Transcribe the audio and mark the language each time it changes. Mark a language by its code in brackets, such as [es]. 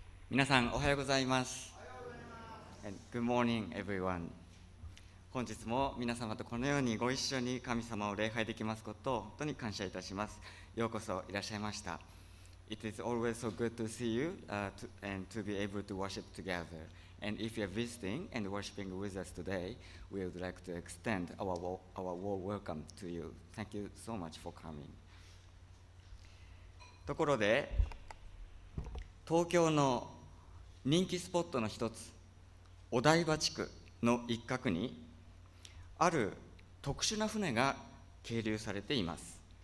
[ja] 皆さんおはようございます。おはようございます。 [en] Good morning everyone。 [ja] 本日も皆様とこのようにご一緒に神様を礼拝できますことを本当に感謝いたします。ようこそいらっしゃいました。 [en] It is always so good to see you to be able to worship together. And if you are visiting and worshiping with us today, we would like to extend our warm welcome to you. Thank you so much for coming. [ja] ところで東京の人気スポットの一つ、お台場地区の一角にある特殊な船が係留されています。